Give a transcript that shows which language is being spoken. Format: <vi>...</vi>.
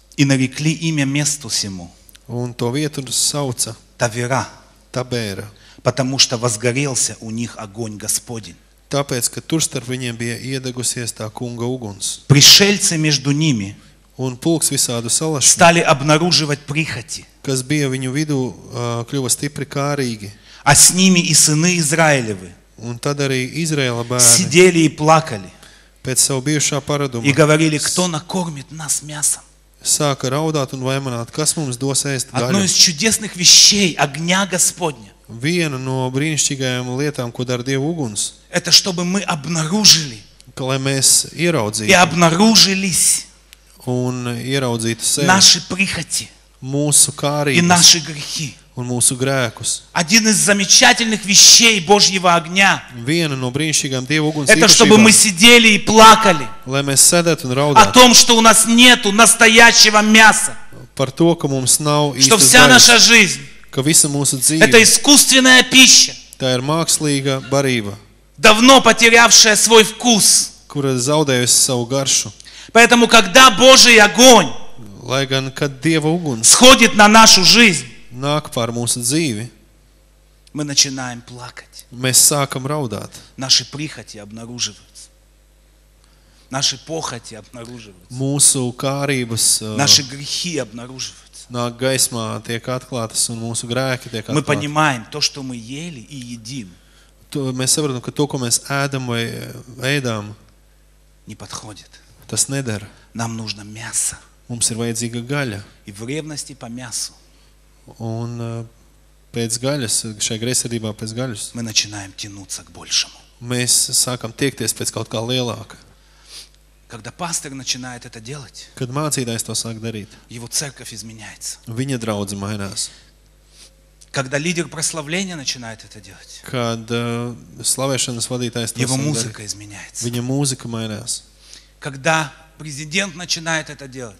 <ru>И нарекли имя месту сему.</ru> <lv>Un to vietu sauca.</lv> <ru>Tavera.</ru> <lv>Tabera.</lv> <ru>Потому что возгорелся у них огонь Господень.</ru> <lv>Tāpēc, ka tur starp viņiem bija iedegusies tā kunga uguns.</lv> <ru>Пришельцы между ними.</ru> <lv>Un pulks visādu salašņu.</lv> <ru>Стали обнаруживать прихоти.</ru> <lv>Kas bija viņu vidū, kļuva stipri kārīgi.</lv> <ru>А с ними и сыны Израилевы.</ru> <lv>Un tad arī Izraela bērni.</lv> <ru>Сидели и плакали.</ru> <lv>Pēc savu bijušā paraduma.</lv> <ru>И говорили, кто накормит нас мясом.</ru> <lv>Sāka raudāt un vaimanāt, kas mums dos ēst gaļu.</lv> <ru>Одно из чудесных вещей огня Господня.</ru> <lv>Viena no brīnišķīgajām lietām, ko dara Dieva uguns,</lv> <ru>это чтобы мы обнаружили,</ru> <lv>lai mēs ieraudzītu,</lv> <ru>и обнаружились,</ru> <lv>un ieraudzītu sevi,</lv> <ru>наши прихоти,</ru> <lv>mūsu kārības,</lv> <ru>и наши грехи,</ru> <lv>un mūsu grēkus.</lv> <ru>Один из замечательных вещей Божьего огня,</ru> <lv>viena no brīnišķīgām Dieva uguns</lv> <ru>это чтобы мы сидели и плакали,</ru> <lv>lai mēs sēdētu un raudātu,</lv> <ru>о том, что у нас нету настоящего мяса,</ru> <lv>par to, ka mums nav īstas</lv> <ru>что вся наша жизнь,</ru> <lv>ka visa mūsu dzīve.</lv> <ru>Это искусственная пища.</ru> <lv>Tā ir mākslīga barība.</lv> <ru>Давно потерявшая свой вкус.</ru> <lv>Kura zaudējusi savu garšu.</lv> <ru>Поэтому когда Божий огонь,</ru> <lv>lai gan, kad Dieva uguns,</lv> <ru>сходит на нашу жизнь,</ru> <lv>nāk pār mūsu dzīvi,</lv> <ru>мы начинаем плакать.</ru> <lv>Mēs sākam raudāt.</lv> <ru>Наши прихоти обнаруживаются. Наши похоти обнаруживаются.</ru> <lv>Mūsu kārības,</lv> <ru>наши грехи обнаруживаются.</ru> <lv>Nāk gaismā tiek atklātas un mūsu grēki tiek atklātas.</lv> <ru>Мы понимаем то, что мы ели и едим.</ru> <lv>Mēs saprotam, ka to, ko mēs ēdam vai ēdām,</lv> <ru>не подходит.</ru> <lv>Tas neder.</lv> <ru>Нам нужно мясо.</ru> <lv>Mums ir vajadzīga gaļa.</lv> <ru>И в ревности по мясу.</ru> <lv>Un pēc gaļas, šajā greizsirdībā pēc gaļas,</lv> <ru>мы начинаем тянуться к большему.</ru> <lv>Mēs sākam tiekties pēc kaut kā lielāka.</lv> <ru>Когда пастор начинает это делать,</ru> <lv>kad mācītājs to sāk darīt,</lv> <ru>его церковь изменяется.</ru> <lv>Viņa draudze mainās.</lv> <ru>Когда лидер прославления начинает это делать,</ru> <lv>kad slavēšanas vadītājs to sāk darīt,</lv> <ru>его музыка изменяется.</ru> <lv>Viņa mūzika mainās.</lv> <ru>Когда президент начинает это делать,</ru>